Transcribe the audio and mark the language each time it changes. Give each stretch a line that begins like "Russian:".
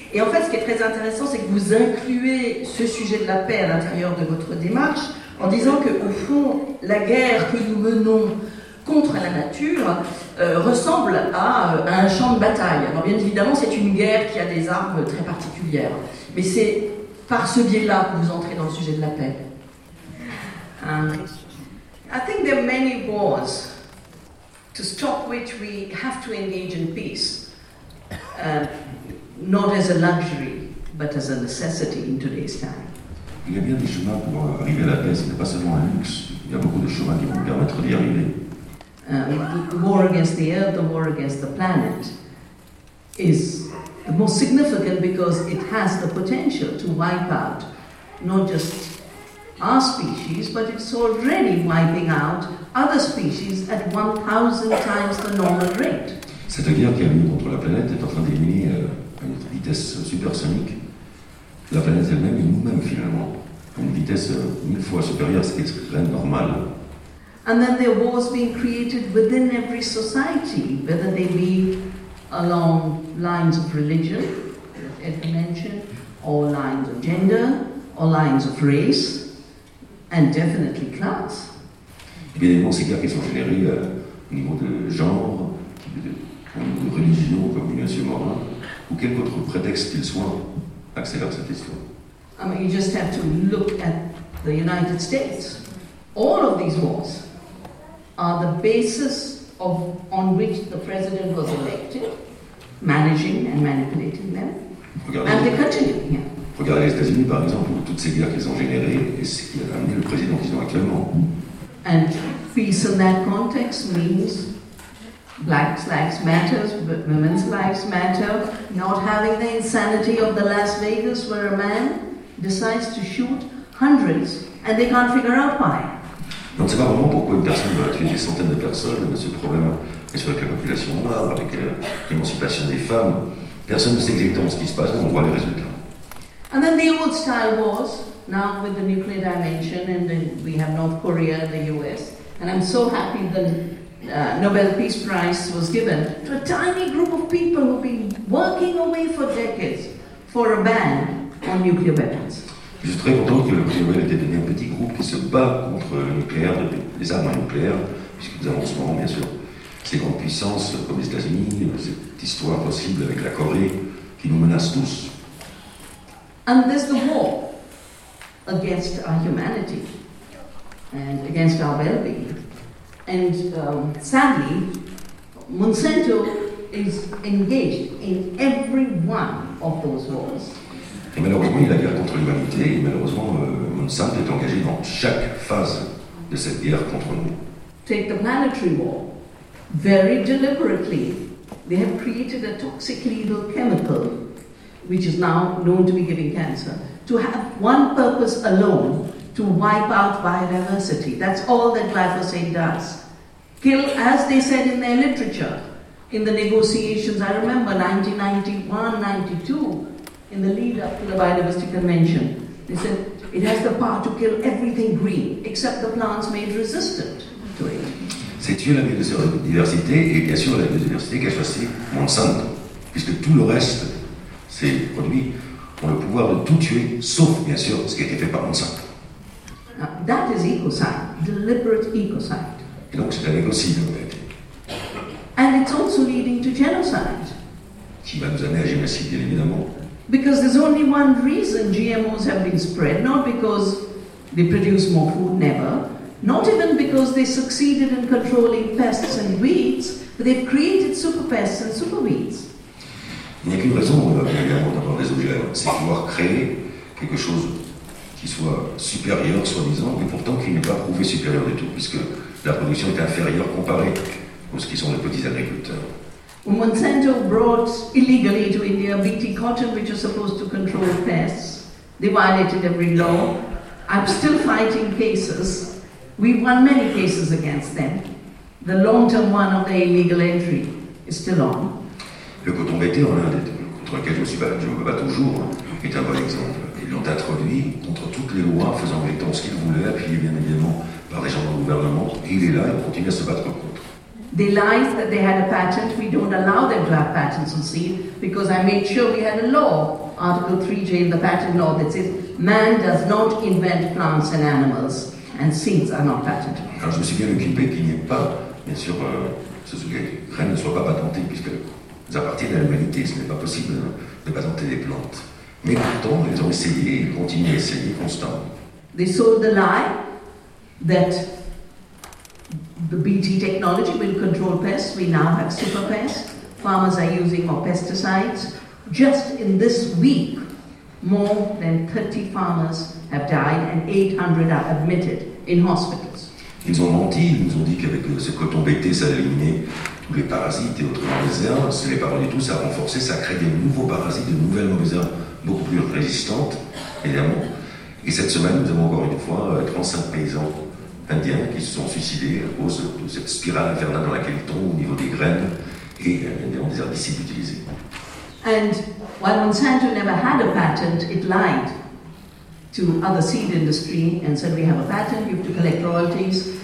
French: Et en fait, ce qui est très intéressant, c'est que vous incluez ce sujet de la paix à l'intérieur de votre démarche, en disant qu'au fond, la guerre que nous menons contre la nature ressemble à un champ de bataille. Alors bien évidemment, c'est une guerre qui a des armes très particulières. Mais c'est par ce biais-là que vous entrez dans le sujet de la paix.
English: I think there are many wars to stop which we have to engage in peace. Not as a luxury, but as a necessity in today's time.
French: Il y a bien des chemins pour arriver à la paix, ce n'est pas seulement un luxe. Il y a beaucoup de chemins qui vont nous permettre d'y arriver.
English: The war against the earth, the war against the planet, is the most significant because it has the potential to wipe out not just our species, but it's already wiping out other species at 1,000 times the normal rate.
French: Cette guerre qui a mis contre la planète est en train d'éliminer à une vitesse supersonique la planète elle-même et nous-mêmes finalement, à une vitesse mille fois supérieure à ce qui serait normal.
English: And then there are wars being created within every society, whether they be along lines of religion, as I mentioned, or lines of gender, or lines of race, and definitely class.
French: Évidemment, ces guerres qui sont générées au niveau de genre, au niveau de religion, comme bien sûr moral, ou quelque autre prétexte qu'il soit, accélèrent cette histoire.
English: I mean, you just have to look at the United States. All of these wars are the basis of on which the president was elected, managing and manipulating them, and they continue. Yeah.
French: Regardez les États-Unis, par exemple, toutes ces guerres qu'ils ont générées et ce qui a amené le président qu'ils ont actuellement.
English: And peace in that context means Black Lives Matter, women's lives matter, not having the insanity of the Las Vegas where a man decides to shoot hundreds and they can't figure out why.
French: On ne sait pas vraiment pourquoi une personne va tuer des centaines de personnes, mais ce problème est avec la population noire, avec l'émancipation des femmes. Personne ne sait exactement ce qui se passe, mais on voit les résultats.
English: And then the old style wars, now with the nuclear dimension, and then we have North Korea and the US. And I'm so happy that Nobel Peace Prize was given to a tiny group of people who've been working away for decades for a ban on nuclear weapons.
French: Je suis très content que le prix Nobel ait donné un petit groupe qui se bat contre le nucléaire, les armes nucléaires, puisque nous avons en ce moment, bien sûr, ces grandes puissances comme les États-Unis, cette histoire possible avec la Corée, qui nous menace tous.
English: And there's the war against our humanity and against our well-being. And sadly, Monsanto is engaged in every one of those wars.
French: Et malheureusement, il y a la guerre contre l'humanité, et malheureusement, Monsanto est engagé dans chaque phase de cette guerre contre nous.
English: Take the planetary war. Very deliberately, they have created a toxic lethal chemical, which is now known to be giving cancer, to have one purpose alone, to wipe out biodiversity. That's all that glyphosate does. Kill, as they said in their literature, in the negotiations, I remember, 1991, 92, in the lead up to the Biodiversity Convention, they said it has the power to kill everything green, except the plants made resistant to it.
French: C'est tuer la biodiversité, et bien sûr la biodiversité qu'a choisi Monsanto, puisque tout le reste, ces produits, ont le pouvoir de tout tuer, sauf bien sûr ce qui a été fait par Monsanto.
English: Now, that is ecocide, deliberate ecocide.
French: Et donc c'est un écocide en fait.
English: And it's also leading to genocide.
French: Qui va nous amener à génocide, bien évidemment.
English: Because there's only one reason GMOs have been spread, not because they produce more food, never, not even because they succeeded in controlling pests and weeds, but they've created super pests and super weeds.
French: Il n'y a qu'une raison d'avoir des OGM, c'est pouvoir créer quelque chose qui soit supérieur, soi-disant, mais pourtant qui n'est pas prouvé supérieur du tout, puisque la production est inférieure comparée à ce qui sont les petits agriculteurs.
English: When Monsanto brought illegally to India BT cotton, which was supposed to control pests, they violated every law. I'm still fighting cases. We've won many cases against them. The long-term one of the illegal entry is still on.
French: Le coton BT, contre lequel je me bats toujours, est un bon exemple. Ils l'ont introduit contre toutes les lois, faisant exactement ce qu'ils voulaient, appuyé bien évidemment par les gens du gouvernement. Et il est là et on continue à se battre contre.
English: They lied that they had a patent. We don't allow them to have patents on seed because I made sure we had a law, Article 3J in the patent law, that says man does not invent plants and animals, and seeds are not patented.
French: Alors je me suis bien occupé qu'il n'y ait pas, bien sûr, que les graines ne soient pas patentées puisque ça appartient à l'humanité. Ce n'est pas possible de patenter des plantes. Mais pourtant, ils ont essayé et ils continuent à essayer constamment.
English: They sold the lie that the BT technology will control pests. We now have super pests. Farmers are using more pesticides. Just in this week, more than 30 farmers have died and 800 are admitted in hospitals.
French: Ils ont menti, ils nous ont dit qu'avec ce coton BT, ça allait éliminer tous les parasites et autres mauvaises herbes. Ce n'est pas vrai du tout, ça a renforcé, ça a créé des nouveaux parasites, de nouvelles mauvaises herbes, beaucoup plus résistantes, évidemment. Et cette semaine, nous avons encore une fois 35 paysans indiens qui se sont suicidés à cause de cette spirale infernale dans laquelle ils tombent au niveau des graines et évidemment des herbicides utilisés.
English: And while Monsanto never had a patent, it lied to other seed industry and said, we have a patent, you have to collect royalties.